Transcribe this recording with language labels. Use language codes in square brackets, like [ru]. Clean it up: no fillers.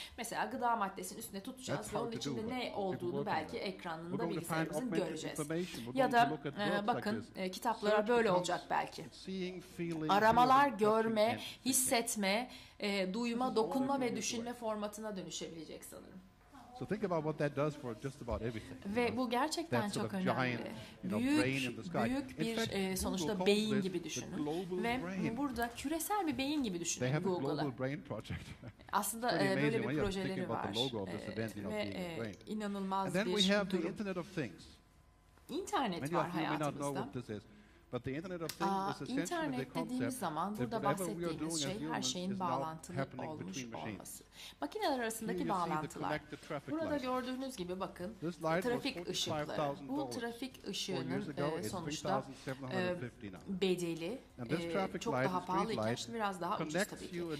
[tr] Mesela gıda maddesinin üstüne tutacağız ve onun içinde ne olduğunu belki ekranında bilgisayarımızın göreceğiz. Ya da bakın kitaplara böyle olacak belki. Aramalar görme, hissetme, duyma, dokunma ve düşünme formatına dönüşebilecek sanırım. [en] So think about what that does for just about everything. [tr] Ve bu gerçekten çok önemli. Büyük bir sonuçta beyin gibi düşünün. Ve burada küresel bir beyin gibi düşünün Google'ı. Aslında böyle bir projeleri var. Ve inanılmaz bir durum. [en] Internet of Things. [tr] İnternet var hayatımızda. [en] But the internet of things is essentially the [tr] dediğimiz zaman burada bahsettiğimiz şey her şeyin bağlantılı olmuş olması. Makineler arasındaki bağlantılar. Burada gördüğünüz gibi bakın trafik ışıkları. Bu trafik ışığının sonuçta bedeli çok daha pahalı iken biraz daha ucuz tabii ki.